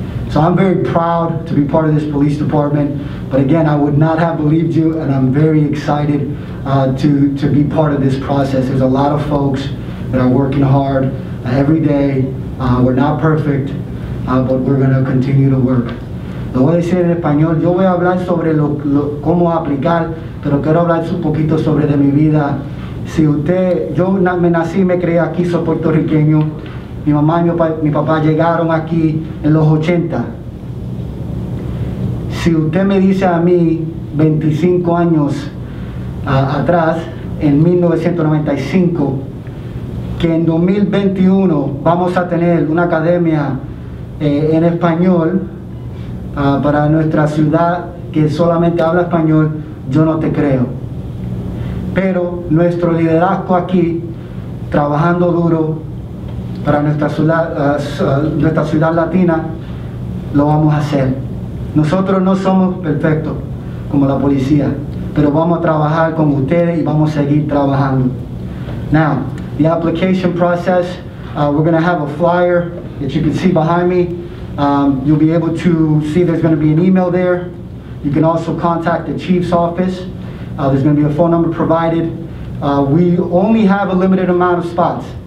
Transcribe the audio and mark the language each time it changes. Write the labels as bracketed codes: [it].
[en] So I'm very proud to be part of this police department, but again, I would not have believed you, and I'm very excited to be part of this process. There's a lot of folks that are working hard every day. We're not perfect, but we're gonna continue to work. [es] Lo voy a decir en español. Yo voy a hablar sobre cómo aplicar, pero quiero hablar un poquito sobre de mi vida. Si usted, yo me nací y me creé aquí, soy puertorriqueño. Mi mamá y mi papá llegaron aquí en los 80. Si usted me dice a mí, 25 años atrás, en 1995, que en 2021 vamos a tener una academia en español para nuestra ciudad que solamente habla español, yo no te creo. Pero nuestro liderazgo aquí, trabajando duro para nuestra ciudad latina, lo vamos a hacer. Nosotros no somos perfectos como la policía, pero vamos a trabajar con ustedes y vamos a seguir trabajando. [en] Now, the application process, we're gonna have a flyer that you can see behind me. You'll be able to see there's gonna be an email there. You can also contact the chief's office. There's gonna be a phone number provided. We only have a limited amount of spots.